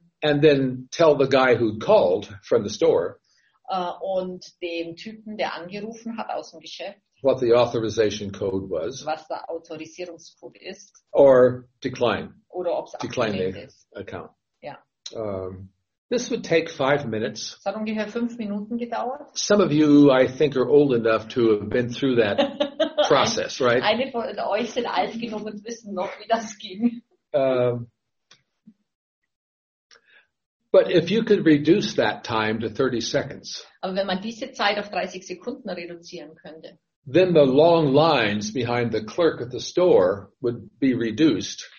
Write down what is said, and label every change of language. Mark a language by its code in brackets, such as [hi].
[en] And then tell the guy who called from the store. [de] Und dem Typen, der angerufen hat aus dem Geschäft. [en] What the authorization code was. [de] Was der Autorisierungscode ist. [en] Or decline. [de] Oder ob's [en] decline the [de] ist. [en] Account. [de] Ja. [en] This would take 5 minutes. [de] Es hat ungefähr 5 Minuten gedauert. [en] Some of you, I think, are old enough to have been through that process, right? [de] Eine von euch sind alt genug und wissen noch, wie das ging. [en] But if you could reduce that time to 30 seconds. [de] Aber wenn man diese Zeit auf 30 Sekunden reduzieren könnte. [en] Then the long lines behind the clerk at the store would be reduced.